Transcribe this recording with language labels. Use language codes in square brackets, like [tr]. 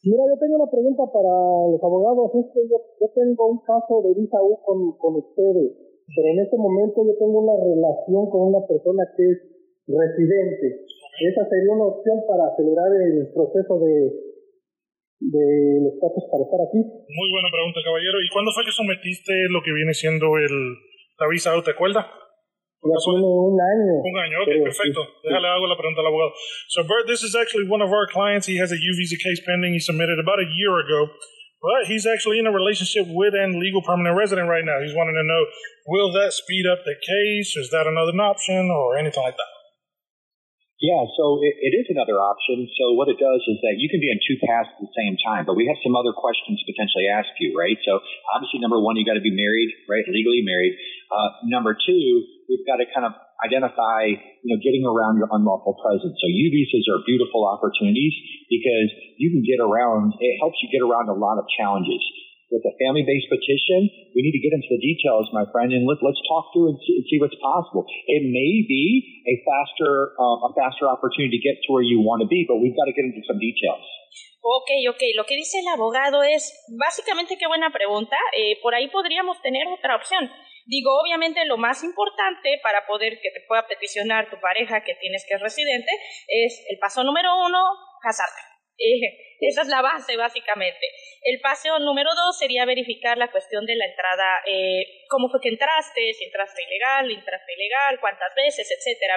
[es] Mira, yo tengo una pregunta para los abogados. Es que yo tengo un caso de visa U con ustedes, pero en este momento yo tengo una relación con una persona que es residente. Esa sería una opción para acelerar el proceso de los estatus para estar aquí. Muy buena pregunta, caballero. ¿Y cuándo fue que sometiste lo que viene siendo la visa U, te acuerdas? Un año. Okay, pero, perfecto. Sí. Déjale, hago la pregunta al abogado. [en] So, Bert, this is actually one of our clients. He has a U visa case pending. He submitted about a year ago. But he's actually in a relationship with an legal permanent resident right now. He's wanting to know, will that speed up the case? Is that another option or anything like that? Yeah, so it is another option. So what it does is that you can be in 2 paths at the same time, but we have some other questions to potentially ask you, right? So obviously, number one, you got to be married, right? Legally married. Number two, we've got to kind of identify, you know, getting around your unlawful presence. So U visas are beautiful opportunities because you can get around. It helps you get around a lot of challenges. With a family-based petition, we need to get into the details, my friend, and let's talk through and see what's possible. It may be a faster opportunity to get to where you want to be, but we've got to get into some details. Ok. [es] Lo que dice el abogado es, básicamente, qué buena pregunta. Por ahí podríamos tener otra opción. Digo, obviamente, lo más importante para poder que te pueda peticionar tu pareja que tienes que es residente es el paso número 1, casarte. Esa es la base, básicamente. El paso número 2 sería verificar la cuestión de la entrada, cómo fue que entraste, si entraste ilegal, entraste ilegal, cuántas veces, etcétera.